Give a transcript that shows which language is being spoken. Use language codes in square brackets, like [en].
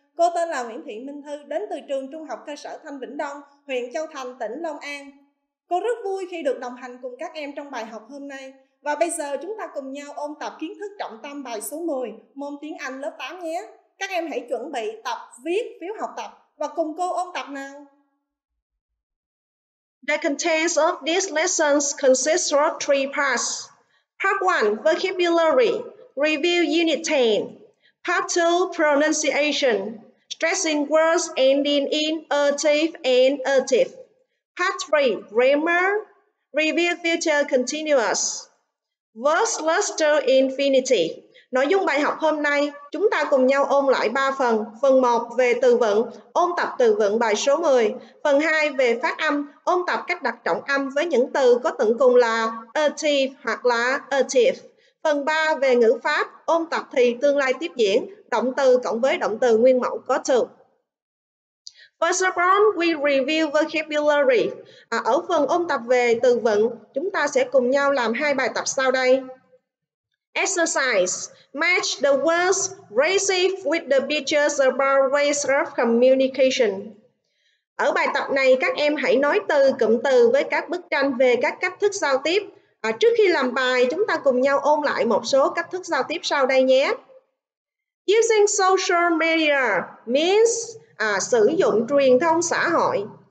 [vi] Cô tên là Nguyễn Thị Minh Thư, đến từ trường Trung học cơ sở Thanh Vĩnh Đông, huyện Châu Thành, tỉnh Long An. Cô rất vui khi được đồng hành cùng các em trong bài học hôm nay. Và bây giờ chúng ta cùng nhau ôn tập kiến thức trọng tâm bài số 10, môn tiếng Anh lớp 8 nhé. Các em hãy chuẩn bị tập viết phiếu học tập và cùng cô ôn tập nào. [en] The contents of these lessons consist of three parts. Part 1, vocabulary. Review Unit 10. Part 2, pronunciation. Stressing words ending in ative and ative. Part 3, grammar. Review future continuous. Verb cluster infinitive. [vi] Nội dung bài học hôm nay, chúng ta cùng nhau ôn lại 3 phần. Phần 1 về từ vựng, ôn tập từ vựng bài số 10. Phần 2 về phát âm, ôn tập cách đặt trọng âm với những từ có tận cùng là ative hoặc là ative. Phần 3 về ngữ pháp, ôn tập thì tương lai tiếp diễn, động từ cộng với động từ nguyên mẫu có to. [en] First of all, we review vocabulary. [vi] Ở phần ôn tập về từ vựng, chúng ta sẽ cùng nhau làm hai bài tập sau đây. [en] Exercise. Match the words received with the pictures about ways of communication. [vi] Ở bài tập này, các em hãy nói từ cụm từ với các bức tranh về các cách thức giao tiếp. Trước khi làm bài, chúng ta cùng nhau ôn lại một số cách thức giao tiếp sau đây nhé. [en] Using social media means [vi] sử dụng truyền thông xã hội.